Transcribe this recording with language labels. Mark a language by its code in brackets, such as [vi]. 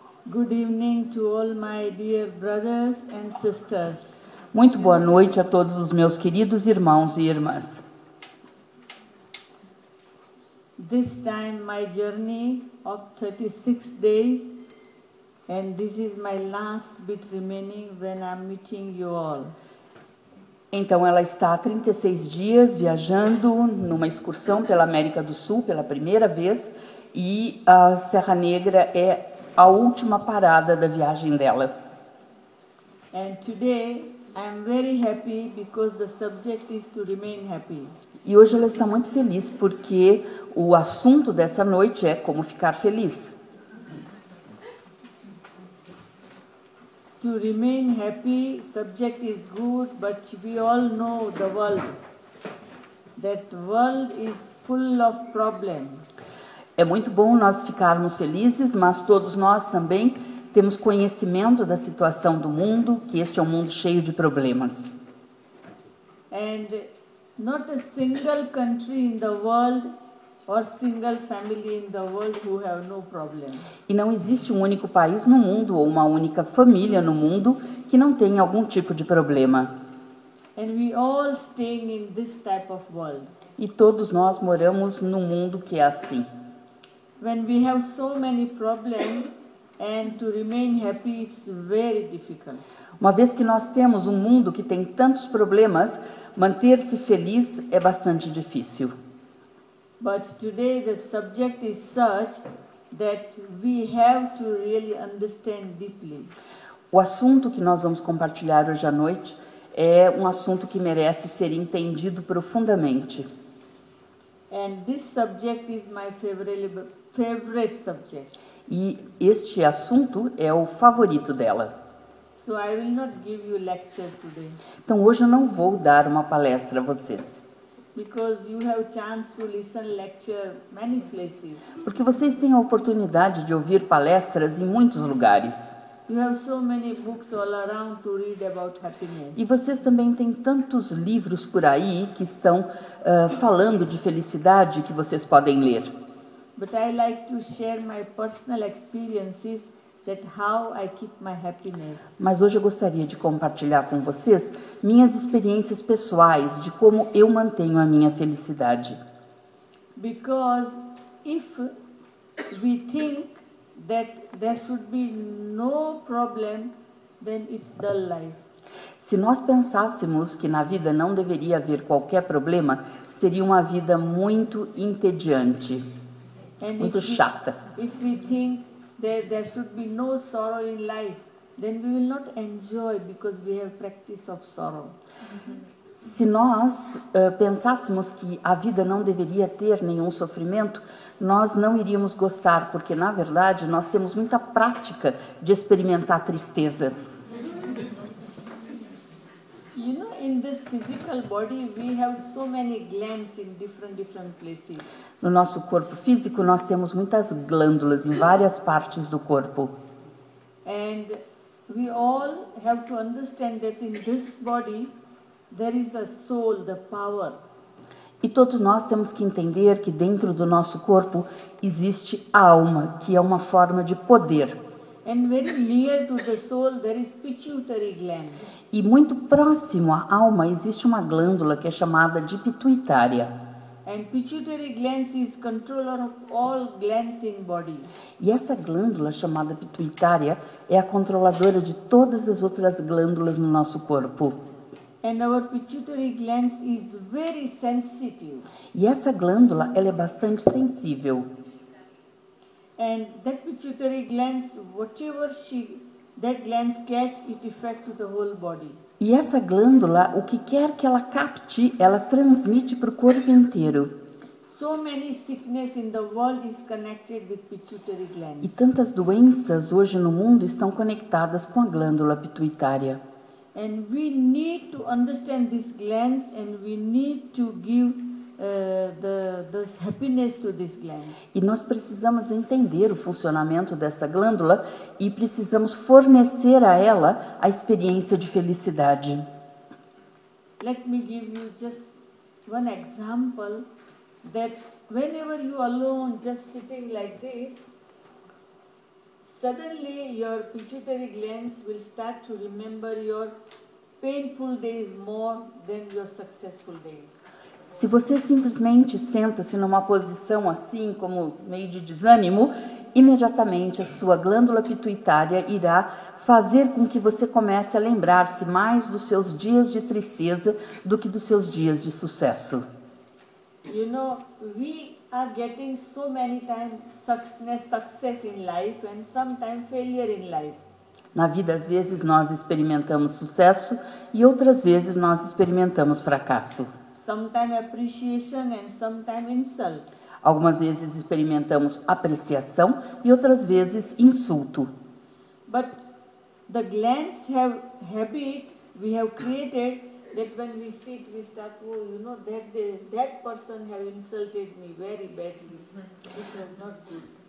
[en] Good evening to all my dear brothers and sisters. [pt] Muito boa noite a todos os meus queridos irmãos e irmãs. [en] This time my journey of 36 days and this is my last bit remaining when I'm meeting you all. [pt] Então, ela está há 36 dias viajando numa excursão pela América do Sul pela primeira vez e a Serra Negra é a última parada da viagem dela. [en] And today I'm very happy because the subject is to remain happy. [pt] E hoje ela está muito feliz porque o assunto dessa noite é como ficar feliz. [en] To remain happy, subject is good, but we all know the world. That world is full of problems. [pt] É muito bom nós ficarmos felizes, mas todos nós também temos conhecimento da situação do mundo, que este é um mundo cheio de problemas. [en] And not a single country in the world or single family in the world who have no problem. [pt] E não existe um único país no mundo ou uma única família no mundo que não tenha algum tipo de problema. [en] And we all staying in this type of world. [pt] E todos nós moramos num mundo que é assim. [en] When we have so many problems and to remain happy, it's very difficult. [pt] Uma vez que nós temos um mundo que tem tantos problemas, manter-se feliz é bastante difícil. [en] But today the subject is such that we have to really understand deeply. [pt] O assunto que nós vamos compartilhar hoje à noite é um assunto que merece ser entendido profundamente. [en] And this subject is my favorite subject. [pt] E este assunto é o favorito dela. [en] So I will not give you lecture today. [pt] Então hoje eu não vou dar uma palestra a vocês. [en] Because you have chance to listen lecture many places. [pt] Porque vocês têm a oportunidade de ouvir palestras em muitos lugares. [en] You have so many books all around to read about happiness. [pt] E vocês também têm tantos livros por aí que estão falando de felicidade que vocês podem ler. [en] But I like to share my personal experiences that how I keep my happiness. [pt] Mas hoje eu gostaria de compartilhar com vocês minhas experiências pessoais de como eu mantenho a minha felicidade. [en] Because if we think that there should be no problem, then it's dull life. [pt] Se nós pensássemos que na vida não deveria haver qualquer problema, seria uma vida muito entediante, [en] and [pt] muito chata. [en] If we think that there should be no sorrow in life, then we will not enjoy because we have practice of sorrow. [pt] Se nós pensássemos que a vida não deveria ter nenhum sofrimento, nós não iríamos gostar, porque na verdade nós temos muita prática de experimentar tristeza. [en] You know, in this physical body we have so many glands in different places. [pt] No nosso corpo físico nós temos muitas glândulas em várias partes do corpo. [en] And we all have to understand that in this body there is a soul, the power. [pt] E todos nós temos que entender que dentro do nosso corpo existe a alma, que é uma forma de poder. [en] And very near to the soul, there is pituitary gland. [pt] E muito próximo à alma existe uma glândula que é chamada de pituitária. [en] And pituitary gland is controller of all glands in body. [pt] E essa glândula chamada pituitária é a controladora de todas as outras glândulas no nosso corpo. [en] And our pituitary gland is very sensitive. [pt] E essa glândula, ela é bastante sensível. [en] And that pituitary gland, whatever she, that gland catch, it affect to the whole body. [pt] E essa glândula, o que quer que ela capte, ela transmite para o corpo inteiro. [en] So many sickness in the world is connected with pituitary gland. [pt] E tantas doenças hoje no mundo estão conectadas com a glândula pituitária. [en] And we need to understand these glands and we need to give the happiness to these glands. [pt] E nós precisamos entender o funcionamento dessa glândula e precisamos fornecer a ela a experiência de felicidade. [en] Let me give you just one example that whenever you are alone just sitting like this, suddenly your pituitary glands will start to remember your painful days more than your successful days. [pt] Se você simplesmente senta-se numa posição assim, como meio de desânimo, imediatamente a sua glândula pituitária irá fazer com que você comece a lembrar-se mais dos seus dias de tristeza do que dos seus dias de sucesso. [en] You know, we are getting so many times success in life and sometimes failure in life. [pt] Na vida, às vezes nós experimentamos sucesso e outras vezes nós experimentamos fracasso. [en] Sometimes appreciation and sometimes insult. [pt] Algumas vezes experimentamos apreciação e outras vezes insulto. [en] But the glands have habit we have created. That when we sit, we start, oh, you know, that person has insulted me very badly. This is not good.